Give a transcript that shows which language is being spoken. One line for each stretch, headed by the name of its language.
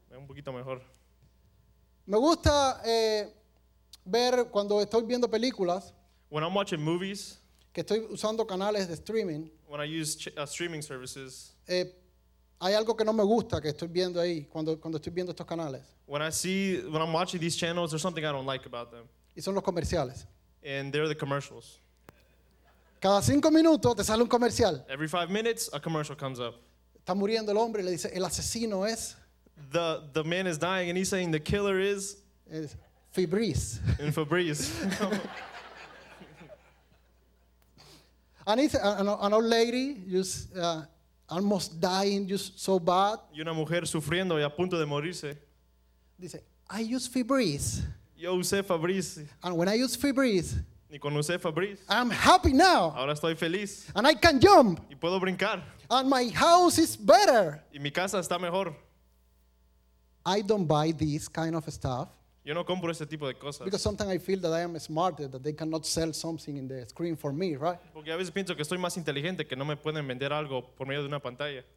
Spanish: Un poquito mejor. Me gusta ver cuando estoy viendo películas.
English: When I'm watching movies.
Spanish: Que estoy usando canales de streaming.
English: When I use streaming services.
Spanish: Hay algo que no me gusta que estoy viendo ahí cuando estoy viendo estos canales.
English: When I'm watching these channels, there's something I don't like about them.
Spanish: Y son los comerciales.
English: And they're the commercials.
Spanish: Cada 5 minutos te sale un comercial.
English: Every 5 minutes, a commercial comes up.
Spanish: Está muriendo el hombre y le dice el asesino es.
English: The man is dying and he's saying the killer is.
Spanish: Es Febreze.
English: And Febreze. And it's an old lady just. Almost dying, just so bad.
Spanish: Y una mujer sufriendo y a punto de morirse.
English: Dice, I use Febreze.
Spanish: Yo usé Febreze.
English: And when I use Febreze,
Spanish: y cuando usé Febreze,
English: I'm happy now.
Spanish: Ahora estoy feliz.
English: And I can jump.
Spanish: Y puedo brincar.
English: And my house is better.
Spanish: Y mi casa está mejor.
English: I don't buy this kind of stuff.
Spanish: Yo no compro ese tipo de cosas.
English: Because sometimes I feel that I am smarter, that they cannot sell something in the screen for me, right?
Spanish: Porque a veces pienso que estoy más inteligente, que no me pueden vender algo por medio de una pantalla.